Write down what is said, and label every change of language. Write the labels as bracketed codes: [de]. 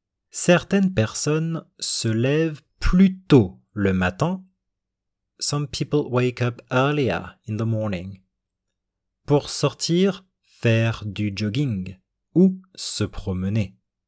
[fr] Certaines personnes se lèvent plus tôt le matin. [en] Some people wake up earlier in the morning. [fr] Pour sortir, faire du jogging ou se promener.